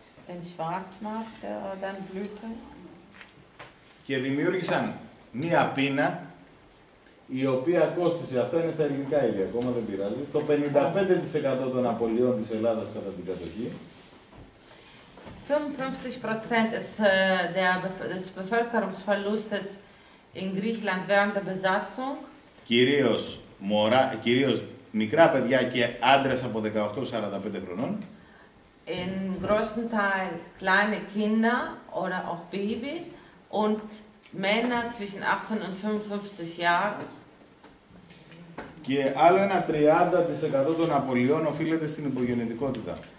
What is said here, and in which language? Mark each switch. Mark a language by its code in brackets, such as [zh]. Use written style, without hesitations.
[de] Den Schwarzmarkt, dann blühte. [el] Και δημιούργησαν μία πείνα, η οποία κόστισε, αυτά είναι στα ελληνικά ήδη, ακόμα δεν πειράζει, το 55% των απολειών της Ελλάδας κατά την κατοχή. [de] 55% ist des Bevölkerungsverlustes in Griechenland während der Besatzung. [el] Κυρίως μικρά παιδιά και άντρες από 18-45 χρονών. [de] In größten Teil kleine Kinder oder auch Babys und Männer zwischen 18 und 55 Jahren. [el] Και άλλο ένα 30% των απολειών οφείλεται στην υπογεννητικότητα.